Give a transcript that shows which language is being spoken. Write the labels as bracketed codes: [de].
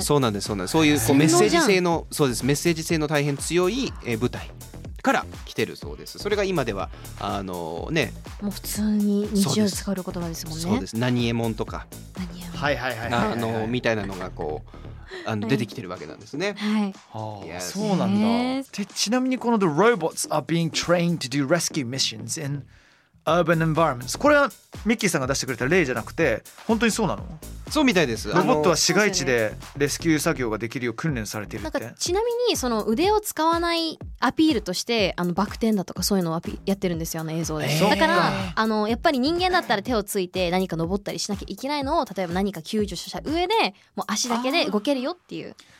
[ja] そうなんです、そうなんです、そういうこうメッセージ性の、そうです、メッセージ性の大変強い、舞台から来てるそうです。それが今ではあのーね、もう普通に日常使う言葉ですもんね。そうです。そうです、何えもんとか、はいはいはいはい、みたいなのがこうあの、はい、出てきてるわけなんですね。はい。 Yes. そうなんだ。で、ちなみにこの [en] The robots are being trained to do rescue missions in urban environments。 [ja] これはミッキーさんが出してくれた例じゃなくて、本当にそうなの？そうみたいです。ロボットは市街地でレスキュー作業ができるよう訓練されているって。なんかちなみにその腕を使わないアピールとして、あのバク転だとかそういうのをやってるんですよ、あの映像で、だから、あのやっぱり人間だったら手をついて何か登ったりしなきゃいけないのを、例えば何か救助した上でもう足だけで動けるよっていう。